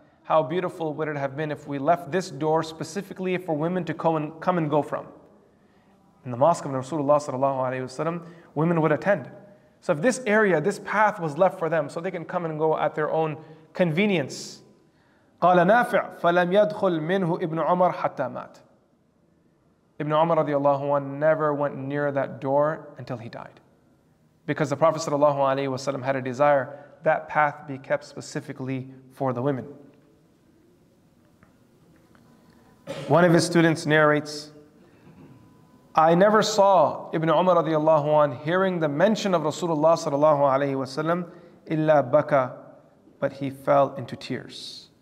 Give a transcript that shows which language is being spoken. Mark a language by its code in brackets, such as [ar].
[en] How beautiful would it have been if we left this door specifically for women to come and go from. In the mosque of Rasulullah sallallahu alayhi wa sallam, women would attend. So if this area, this path was left for them, so they can come and go at their own convenience. [ar] قال نافع فلم يدخل منه ابن عمر حتى مات. [en] Ibn Umar radiallahu anhu never went near that door until he died. Because the Prophet sallallahu alayhi wa sallam had a desire that path be kept specifically for the women. One of his students narrates, I never saw Ibn Umar radiallahu anhu hearing the mention of Rasulullah sallallahu alayhi wa sallam [ar] illa baka, [en] but he fell into tears.